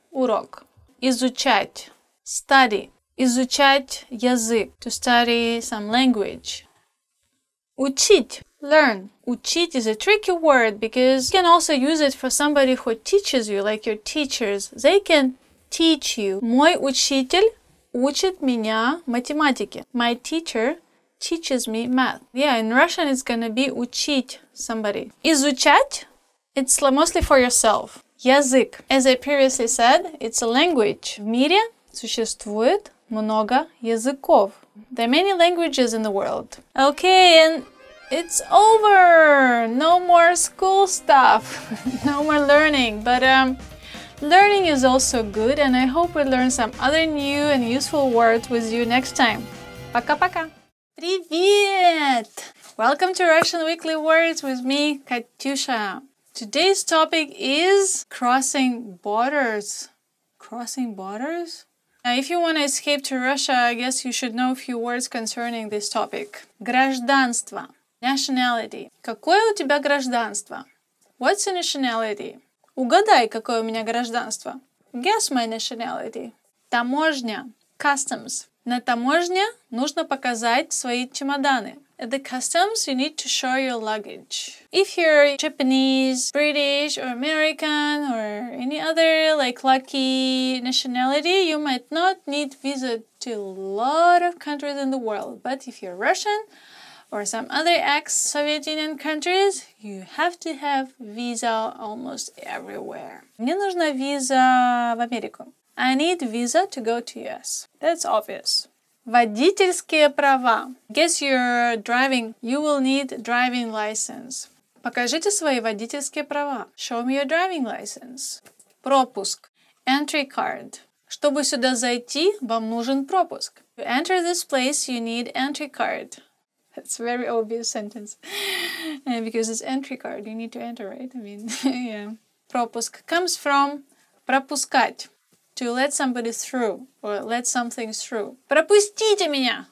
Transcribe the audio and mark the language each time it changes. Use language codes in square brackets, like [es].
[ru] Урок. Изучать. Study. Изучать язык. [en] To study some language. [ru] Учить. [en] Learn. Учить is a tricky word because you can also use it for somebody who teaches you, like your teachers. They can teach you. [ru] Мой учитель учит меня математике. [en] My teacher teaches me math. Yeah, in Russian it's gonna be учить somebody. [ru] Изучать? [en] It's mostly for yourself. [ru] Язык. [en] As I previously said, it's a language. [ru] В мире существует много языков. [en] There are many languages in the world. Okay, and It's over! No more school stuff! No more learning! But learning is also good, and I hope we learn some other new and useful words with you next time. [ru] Пока-пока! Привет! [en] Welcome to Russian Weekly Words with me, Katyusha. Today's topic is crossing borders. Crossing borders? Now, if you want to escape to Russia, I guess you should know a few words concerning this topic. [ru] Гражданство. Nationality. Какое у тебя гражданство? [en] What's your nationality? [ru] Угадай, какое у меня гражданство. [en] Guess my nationality. Таможня. Customs. [ru] На таможне нужно показать свои чемоданы. [en] At the customs, you need to show your luggage. If you're Japanese, British, or American, or any other, like, lucky nationality, you might not need visa to a lot of countries in the world. But if you're Russian, or some other ex-Soviet Union countries, you have to have visa almost everywhere. [ru] Мне нужна виза в Америку. [en] I need visa to go to US. That's obvious. [ru] Водительские права. [en] Guess you're driving. You will need driving license. [ru] Покажите свои водительские права. [en] Show me your driving license. Пропуск. Entry card. [ru] Чтобы сюда зайти, вам нужен пропуск. [en] To enter this place, you need entry card. That's a very obvious sentence. Because it's entry card, you need to enter, right? I mean, yeah. Пропуск comes from пропускать. To let somebody through, or let something through. [ru] Пропустите меня!